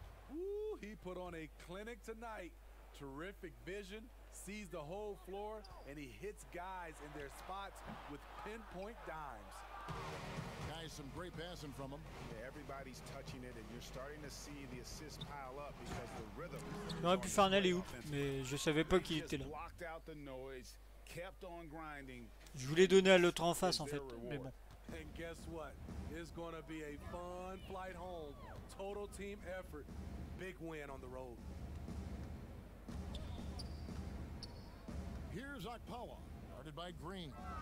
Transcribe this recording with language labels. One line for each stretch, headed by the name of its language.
English: Woo, he put on a clinic tonight. Terrific vision. Sees the whole floor, and he hits guys in their spots with pinpoint dimes. Guys, some great passing from him. Yeah, everybody's touching it, and you're starting to see the assist pile up because the rhythm.
French: J'aurais pu faire un alley-oop, mais je savais pas qu'il était là.
English: Blocked out the noise, kept on grinding.
French: Je voulais donner à l'autre en face, en fait, mais bon.
English: And guess what? It's going to be a fun flight home. Total team effort. Big win on the road. Here's Okpala, guarded by Green.